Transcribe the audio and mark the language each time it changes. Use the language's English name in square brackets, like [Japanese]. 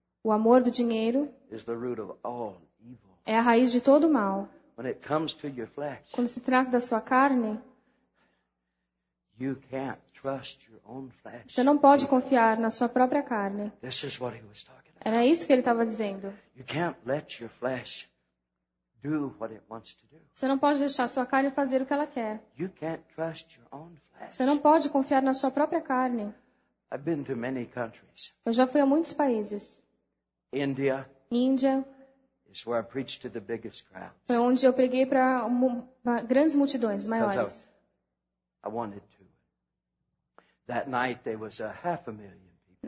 [Portuguese] o amor do dinheiro, [English] is the root of all evil. [Portuguese] É a raiz de todo mal. [English] When it comes to your flesh, [Portuguese] quando se trata da sua carne, [English] you can't trust your own flesh. [Portuguese] Você não pode confiar na sua própria carne. [English] This is what he was talking about. [Portuguese] Era isso que ele estava dizendo. [English] You can't let your flesh do what it wants to do. [Portuguese] Você não pode deixar sua carne fazer o que ela quer. [English] You can't trust your own flesh. [Portuguese] Você não pode confiar na sua própria carne. [English] I've been to many countries. [Portuguese] Eu já fui a muitos países. [English] India. [Portuguese] Índia. [English] It's where I preached to the biggest crowds. [Portuguese] Foi onde eu preguei para grandes multidões, maiores. [English] I wanted to. That night there was a half a million people.